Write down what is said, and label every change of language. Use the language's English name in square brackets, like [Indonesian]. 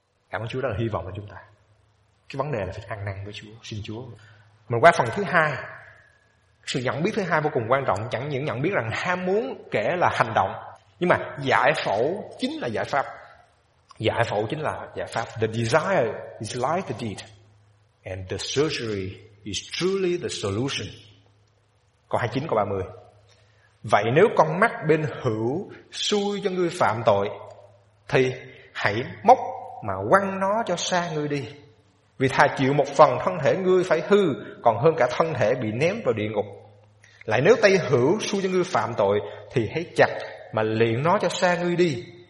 [Vietnamese] Cảm ơn Chúa, đó là hy vọng của chúng ta. Cái vấn đề là phải ăn năn với Chúa, xin Chúa. Mình qua phần thứ hai, sự nhận biết thứ hai vô cùng quan trọng. Chẳng những nhận biết rằng ham muốn kể là hành động, nhưng mà giải phẫu chính là giải pháp. Giải phẫu chính là giải pháp. [English] The desire is like the deed, and the surgery is truly the solution. [Vietnamese] Câu 29 câu 30. Vậy nếu con mắt bên hữu xui cho ngươi phạm tội, thì hãy móc mà quăng nó cho xa ngươi đi. Vì thà chịu một phần thân thể ngươi phải hư, còn hơn cả thân thể bị ném vào địa ngục. Lại nếu tay hữu xui cho ngươi phạm tội, thì hãy chặt mà liền nó cho xa ngươi đi.